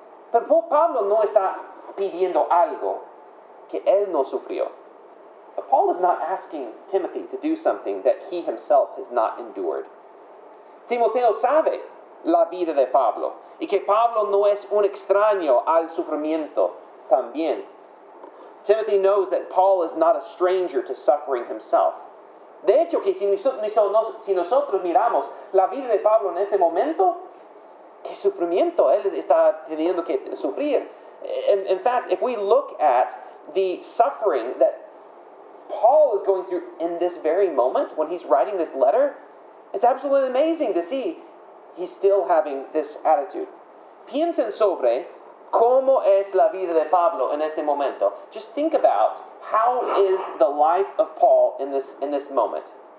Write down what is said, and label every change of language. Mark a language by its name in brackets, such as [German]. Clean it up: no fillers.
[Spanish] Pero Pablo no está pidiendo algo que él no sufrió. [English] But Paul is not asking Timothy to do something that he himself has not endured. [Spanish] Timoteo sabe la vida de Pablo, y que Pablo no es un extraño al sufrimiento también. [English] Timothy knows that Paul is not a stranger to suffering himself. [Spanish] De hecho, que si nosotros miramos la vida de Pablo en este momento, ¿qué sufrimiento él está teniendo que sufrir? [English] In fact, if we look at the suffering that Paul is going through in this very moment when he's writing this letter, it's absolutely amazing to see he's still having this attitude. [Spanish] Piensen sobre cómo es la vida de Pablo en este momento. [English] Just think about how is the life of Paul in this moment.